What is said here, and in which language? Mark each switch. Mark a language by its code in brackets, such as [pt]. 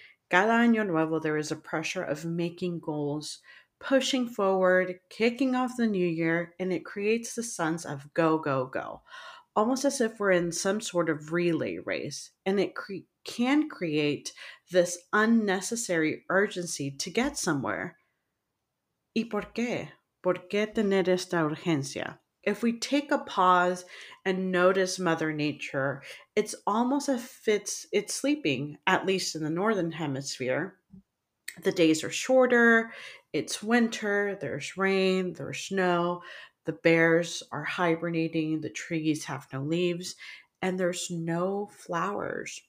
[es] Cada año nuevo, [en] there is a pressure of making goals, pushing forward, kicking off the new year, and it creates the sense of go, go, go. Almost as if we're in some sort of relay race, and it can create this unnecessary urgency to get somewhere. [es] ¿Y por qué? ¿Por qué tener esta urgencia? [en] If we take a pause and notice Mother Nature, it's almost as if it's sleeping, at least in the Northern Hemisphere. The days are shorter, it's winter, there's rain, there's snow, the bears are hibernating, the trees have no leaves, and there's no flowers.